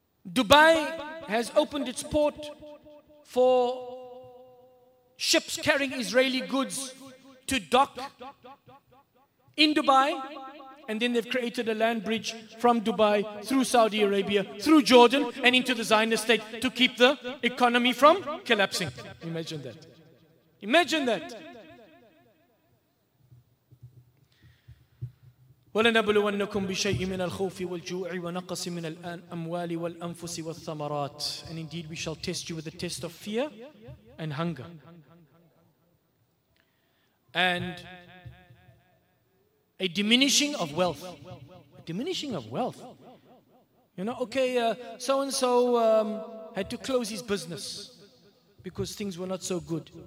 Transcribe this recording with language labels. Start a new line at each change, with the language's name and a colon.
English: Dubai has opened its port for ships carrying Israeli goods to dock in Dubai, and then they've created a land bridge from Dubai through Saudi Arabia, through Jordan, and into the Zionist state to keep the economy from collapsing. Imagine that. Imagine that.
Arabic: ولنبلونكم بشيء من الخوف والجوع ونقص من الأموال والأنفس والثمرات.
English: And indeed we shall test you with a test of fear and hunger. And a diminishing of wealth. A diminishing of wealth. You know, okay, so-and-so had to close his business because things were not so good.